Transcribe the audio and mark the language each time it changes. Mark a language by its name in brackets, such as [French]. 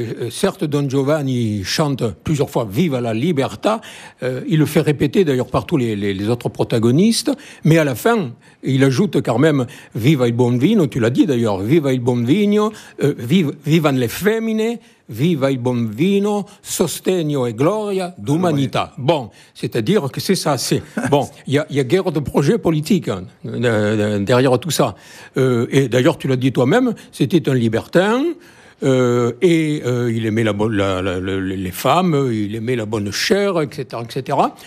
[French] Certes, Don Giovanni chante plusieurs fois « [Italian] Viva la libertà [French] », il le fait répéter d'ailleurs par tous les autres protagonistes, mais à la fin, il ajoute quand même « [Italian] Viva il buon vino [French] », tu l'as dit d'ailleurs, « Viva il buon vino »,« [Italian] Vivan le femmine », Viva il bon vino, sostegno e gloria d'umanità. [French] Bon, c'est-à-dire que c'est ça. C'est, bon, il y a guerre de projets politiques derrière tout ça. Et d'ailleurs, tu l'as dit toi-même, c'était un libertin. Il aimait les femmes, il aimait la bonne chair, etc., etc.